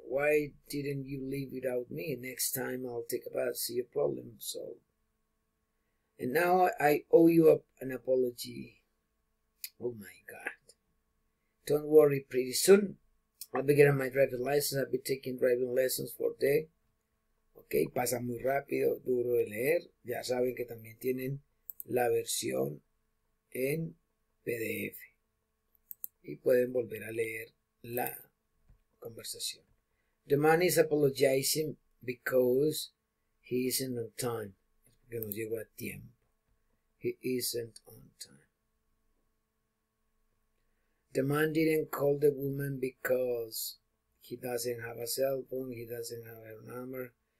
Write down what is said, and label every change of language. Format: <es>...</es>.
<en>Why didn't you leave without me? Next time I'll take a bus. See your problem solved. And now I owe you an apology. Oh my God. Don't worry, pretty soon I'll be getting my driving license. I'll be taking driving lessons for the day.</en> <es>Ok, pasa muy rápido, duro de leer. Ya saben que también tienen la versión en PDF. Y pueden volver a leer la conversación.</es> <en>The man is apologizing because he isn't on time.</en> <es>Porque no llegó a tiempo.</es> <en>He isn't on time. The man didn't call the woman because he doesn't have a cell phone, he doesn't have her number.</en>